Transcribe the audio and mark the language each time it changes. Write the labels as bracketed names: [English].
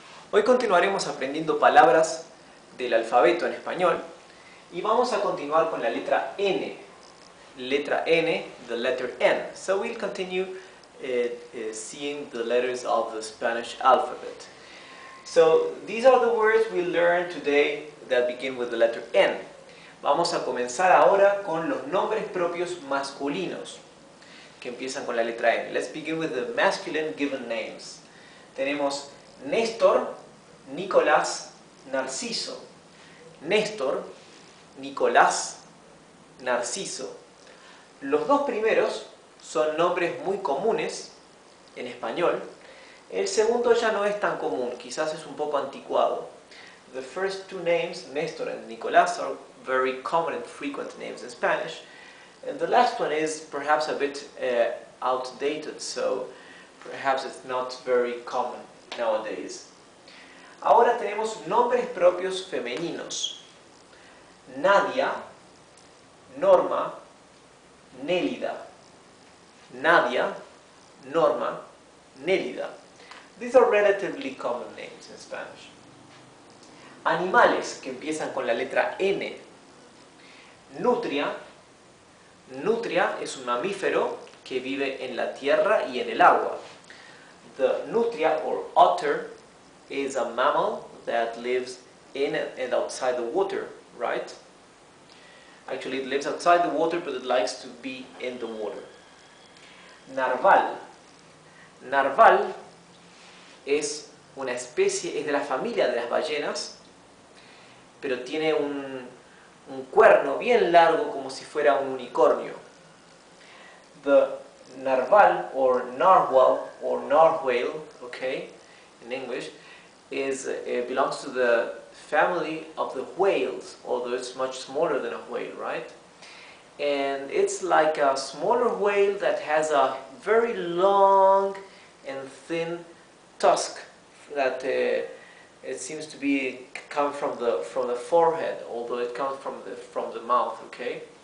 [Spanish] Hoy continuaremos aprendiendo palabras del alfabeto en español y vamos a continuar con la letra N. Letra N, [English] the letter N. So we'll continue seeing the letters of the Spanish alphabet. So these are the words we learned today that begin with the letter N. [Spanish] Vamos a comenzar ahora con los nombres propios masculinos que empiezan con la letra N. [English] Let's begin with the masculine given names. [Spanish] Tenemos Néstor, Nicolás, Narciso. Néstor, Nicolás, Narciso. Los dos primeros son nombres muy comunes en español. El segundo ya no es tan común, quizás es un poco anticuado. [English] The first two names, Néstor and Nicolás, are very common and frequent names in Spanish. And the last one is perhaps a bit outdated, so perhaps it's not very common nowadays. [Spanish] Ahora tenemos nombres propios femeninos. Nadia, Norma, Nélida. [English] Nadia, Norma, Nélida. These are relatively common names in Spanish. [Spanish] Animales que empiezan con la letra N. Nutria. Nutria es un mamífero que vive en la tierra y en el agua. [English] The nutria or otter is a mammal that lives in and outside the water, right? Actually, it lives outside the water, but it likes to be in the water. [Spanish] Narval. Narval es una especie, es de la familia de las ballenas, pero tiene un cuerno bien largo como si fuera un unicornio. [English] The narval or narwhal or narwhale, okay, in English, belongs to the family of the whales, although it's much smaller than a whale, right? And it's like a smaller whale that has a very long and thin tusk that it seems to be come from the forehead, although it comes from the mouth, okay?